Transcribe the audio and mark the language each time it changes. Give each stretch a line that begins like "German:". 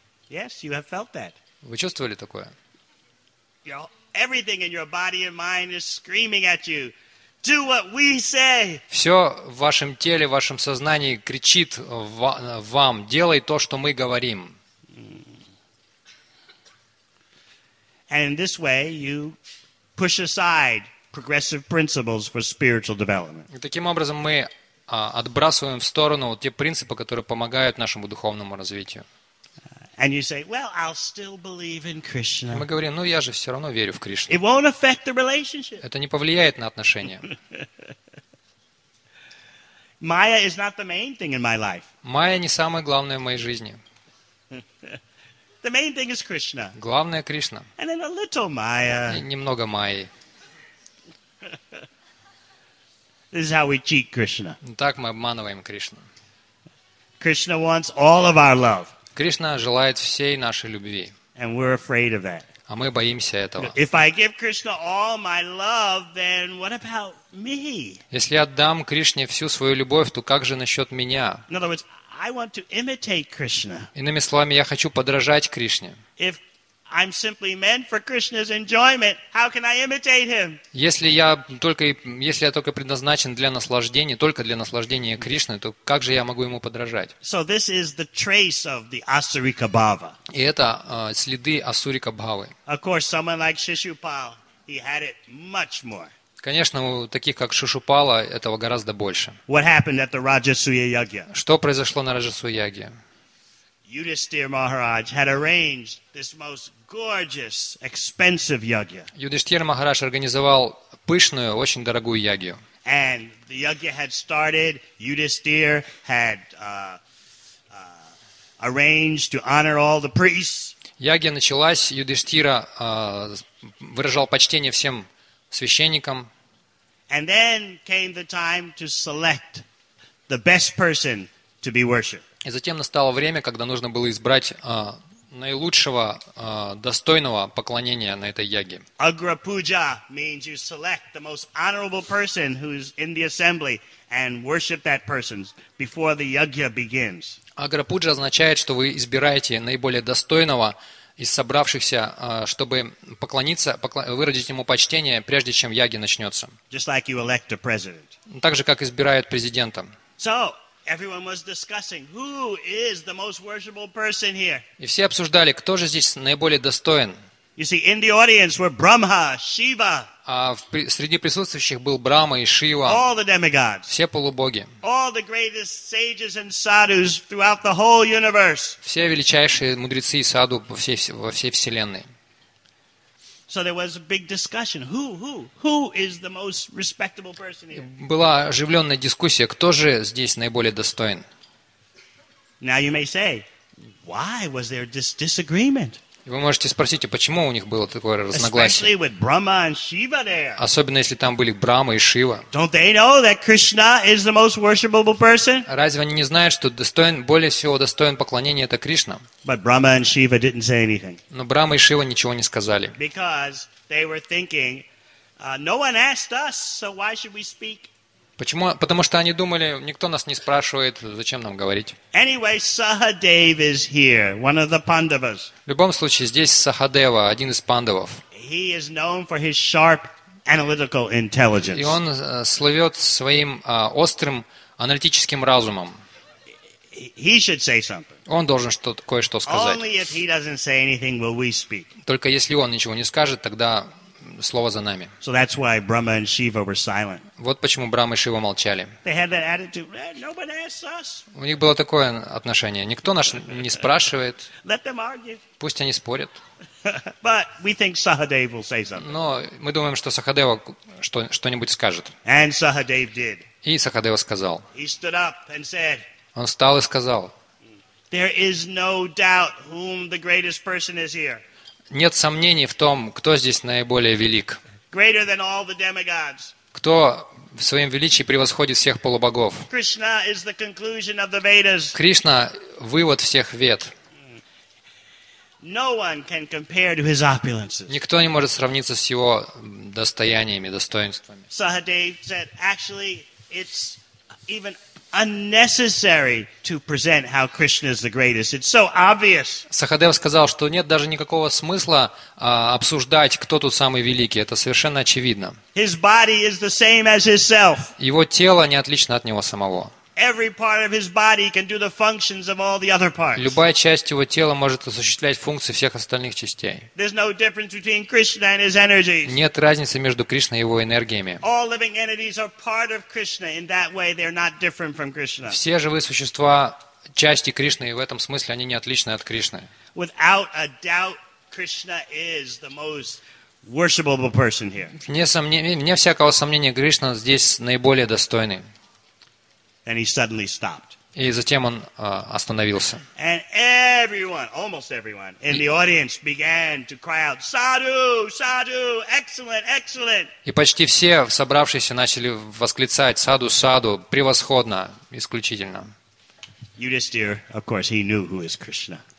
English: Yes, you have felt that.
Russian: Вы чувствовали такое?
English: Everything in your body and mind is screaming at you. Do what we say.
Russian: Все в вашем теле, в вашем сознании кричит вам: делай то, что мы говорим.
English: And in this way, you push aside progressive principles for spiritual development.
Russian: Таким образом, мы отбрасываем в сторону те принципы, которые помогают нашему духовному развитию.
English: And you say, "Well, I'll still believe in Krishna."
Russian: Мы говорим: "Ну, я же все равно верю в Кришну."
English: It won't affect the relationship.
Russian: Это не повлияет на отношения.
English: Maya is not the main thing in my life.
Russian: Майя не самое главное в моей жизни.
English: The main thing is Krishna.
Russian: Главное Кришна.
English: And then a little Maya.
Russian: Немного Майи.
English: This is how we cheat Krishna.
Russian: Так мы обманываем Кришну.
English: Krishna wants all of our love.
Russian: Кришна желает всей нашей любви.
English: And we're afraid of that.
Russian: А мы боимся этого.
English: If I give Krishna all my love, then what about me?
Russian: Если я отдам Кришне всю свою любовь, то как же насчет меня?
English: In other words, I want to imitate Krishna.
Russian: Иными словами, я хочу подражать Кришне.
English: If I'm simply meant for Krishna's enjoyment, how can I imitate him?
Russian: Если я только предназначен для наслаждения, только для наслаждения Кришны, то как же я могу ему подражать?
English: So this is the trace of the Asurika Bhava.
Russian: И это следы Асурика Бхавы.
English: Of course, someone like Shishupal, he had it much more.
Russian: Конечно, у таких как Шишупала этого гораздо больше.
English: What happened at the Rajasuya Yagya?
Russian: Что произошло на Раджасуя Ягье?
English: Yudhishthira Maharaj had arranged this most gorgeous, expensive yagya.
Russian: Yudhishthira Maharaj организовал пышную, очень дорогую ягью.
English: And the yagya had started. Yudhishthira had arranged to honor all the priests.
Russian: Ягья началась. Yudhishthira выражал почтение всем священникам.
English: And then came the time to select the best person to be worshipped.
Russian: И затем настало время, когда нужно было избрать наилучшего, достойного поклонения на этой яге.
English: Agrapuja means you select the most honorable person who's in the assembly and worship that person before the yagya begins.
Russian: Agrapuja означает, что вы избираете наиболее достойного из собравшихся, чтобы поклониться, выразить ему почтение, прежде чем яги начнется.
English: Just like you elect a president.
Russian: Так же, как избирают президента.
English: So, everyone was discussing who is the most worshipable person here.
Russian: И все обсуждали, кто же здесь наиболее достоин.
English: You see, in the audience were Brahma, Shiva.
Russian: А среди присутствующих был Брама и Шива.
English: All the demigods.
Russian: Все полубоги.
English: All the greatest sages and sadhus throughout the whole universe.
Russian: Все величайшие мудрецы и саду во всей вселенной.
English: So there was a big discussion. Who is the most respectable person here?
Russian: Была оживленная дискуссия, кто же здесь наиболее достоин.
English: Now you may say, why was there this disagreement?
Russian: Вы можете спросить, почему у них было такое разногласие?
English: Especially with Brahma and Shiva there.
Russian: Особенно если там были Брама и Шива.
English: Don't they know that Krishna is the most worshipable person?
Russian: Разве они не знают, что достоин более всего достоин поклонения это Кришна?
English: But Brahma and Shiva didn't say anything.
Russian: Но Брама и Шива ничего не сказали.
English: Because they were thinking, no one asked us, so why should we speak?
Russian: Почему? Потому что они думали, никто нас не спрашивает, зачем нам говорить.
English: Anyway, Sahadev is here, one of the Pandavas.
Russian: В любом случае, здесь Сахадева, один из пандавов.
English: He is known for his sharp analytical intelligence.
Russian: И он славёт своим острым аналитическим разумом.
English: He should say something.
Russian: Он должен кое-что сказать.
English: Only if he doesn't say anything will we speak.
Russian: Только если он ничего не скажет, тогда слово за нами.
English: So that's why Brahma and Shiva were silent.
Russian: Вот почему Брама и Шива молчали.
English: They had that attitude. Nobody asks us.
Russian: У них было такое отношение. Никто нас не спрашивает.
English: Let them argue.
Russian: Пусть они спорят.
English: But we think Sahadev will say something.
Russian: Но мы думаем, что Сахадева что-нибудь скажет.
English: And Sahadev did.
Russian: И Сахадева сказал.
English: He stood up and said.
Russian: Он встал и сказал.
English: There is no doubt whom the greatest person is here.
Russian: Нет сомнений в том, кто здесь наиболее велик.
English: Greater than all the demigods.
Russian: Кто в своем величии превосходит всех полубогов.
English: Krishna is the conclusion of the Vedas.
Russian: Кришна – вывод всех вед.
English: No one can compare to his opulences.
Russian: Никто не может сравниться с его достояниями, достоинствами.
English: Sahadev said, actually, it's even unnecessary to present how Krishna is the greatest. It's so obvious.
Russian: Сахадев сказал, что нет даже никакого смысла обсуждать, кто тут самый великий. Это совершенно очевидно.
English: His body is the same as himself.
Russian: Его тело не отлично от него самого.
English: Every part of his body can do the functions of all the other parts.
Russian: Любая часть его тела может осуществлять функции всех остальных частей.
English: There's no difference between Krishna and his energies.
Russian: Нет разницы между Кришной и его энергиями.
English: All living entities are part of Krishna. In that way, they're not different from Krishna.
Russian: Все живые существа части Кришны, и в этом смысле они не отличны от Кришны.
English: Without a doubt, Krishna is the most worshipable person here.
Russian: Вне всякого сомнения, Кришна здесь наиболее достойный.
English: And he suddenly stopped.
Russian: И затем он остановился.
English: And everyone, almost everyone, in the audience began to cry out, "Sadhu, sadhu, excellent, excellent!"
Russian: И почти все собравшиеся начали восклицать, "Sadhu, sadhu, превосходно, исключительно!"
English: Yudhishthira, of course, he knew who is Krishna.